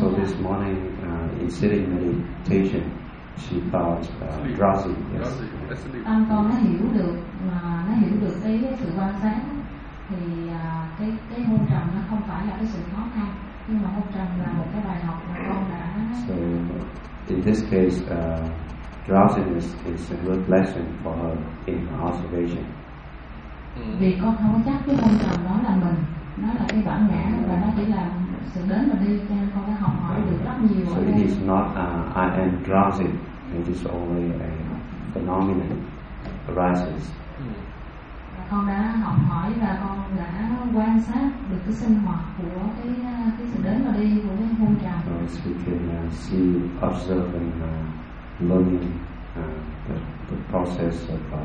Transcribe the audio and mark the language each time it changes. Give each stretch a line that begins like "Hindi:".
English: So this morning in sitting meditation she felt drowsy.
Vietnamese: Tâm con nó hiểu được mà nó hiểu được cái sự quan sát thì cái hôn trầm nó không phải là cái sự khó khăn, nhưng mà hôn trầm là một cái bài học mà con đã.
English: So in this case drowsiness is a good lesson for her in her observation.
Vietnamese: Vì con không chắc cái hôn trầm đó là mình, nó là cái bản ngã và nó chỉ là sự đến và đi, cho nên con đã học hỏi được rất nhiều.
English: So it is not I am drowsy. It is only a phenomenon arises.
Vietnamese: Con đã học hỏi và con đã quan sát được cái sinh hoạt của cái sự đến và đi của cái hôn trầm.
English: So we can see, observe and learning the process of